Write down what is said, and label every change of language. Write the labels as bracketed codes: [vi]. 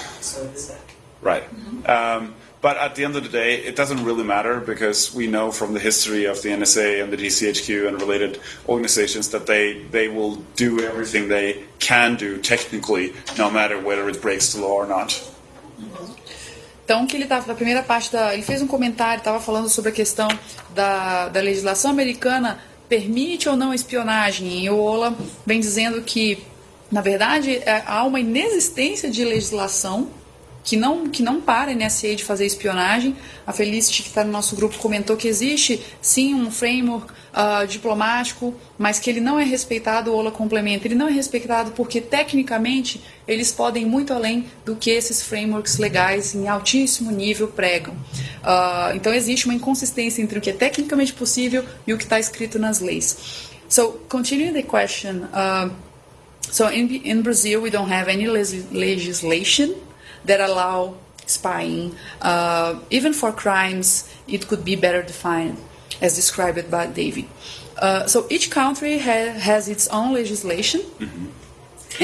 [en] So is that right? Mm-hmm. But at the end of the day, it doesn't really matter because we know from the history of the NSA and the GCHQ and related organizations that they will do everything they can do technically, no matter whether it breaks the law or not. [pt] Então, que ele estava na primeira parte da... Ele fez um comentário, estava falando sobre a questão da legislação americana permite ou não espionagem. E o Ola vem dizendo que, na verdade, há uma inexistência de legislação que não para a NSA de fazer espionagem. A Felicity, que está no nosso grupo, comentou que existe, sim, um framework diplomático, mas que ele não é respeitado, o Ola complementa. Ele não é respeitado porque, tecnicamente, eles podem ir muito além do que esses frameworks legais em altíssimo nível pregam. Então, existe uma inconsistência entre o que é tecnicamente possível e o que está escrito nas leis. [en] So, continuing the question. So, in Brazil, we don't have any legislation that allow spying, even for crimes, it could be better defined, as described by David. So each country has its own legislation, mm-hmm.